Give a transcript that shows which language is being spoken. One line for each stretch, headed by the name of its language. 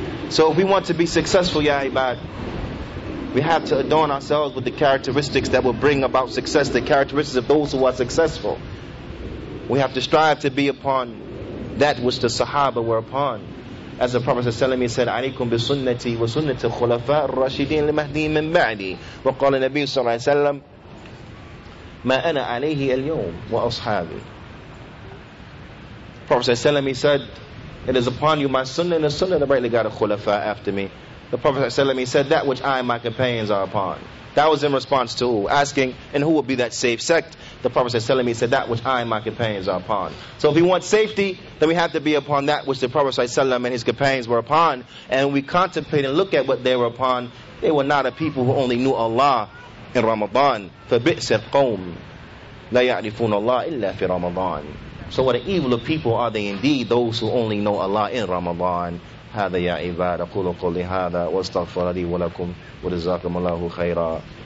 English: So if we want to be successful, ya ibad, we have to adorn ourselves with the characteristics that will bring about success, the characteristics of those who are successful. We have to strive to be upon that which the Sahaba were upon. As the Prophet ﷺ said,
Arabic: عَلَيْكُمْ بِسُنَّتِي وَسُنَّتِ الْخُلَفَاءِ الرَّاشِدِينَ الْمَهْدِينَ مِنْ بَعْدِي وَقَالَ النَّبِيُّ صَلَّى اللَّهُ عَلَيْهِ وَسَلَّمَ مَا أَنَا عَلَيْهِ الْيَوْمَ وَأَصْحَابِي.
English: Prophet ﷺ, he said, it is upon you my sunnah and the sunnah of the rightly guided khulafa after me. The Prophet ﷺ, he said, that which I and my companions are upon. That was in response to asking, and who would be that safe sect? The Prophet ﷺ, he said, that which I and my companions are upon. So if we want safety, then we have to be upon that which the Prophet ﷺ and his companions were upon. And we contemplate and look at what they were upon. They were not a people who only knew Allah in Ramadan.
Arabic: فَبِئْسَ الْقَوْمِ لَا يَعْرِفُونَ اللَّهِ إِلَّا فِي رَمَضَانِ.
English: So what an evil of people are they indeed, those who only know Allah in Ramadan.
Arabic: هذا يا عباد أقول قولي هذا واستغفر لي ولكم وجزاكم الله خيرا.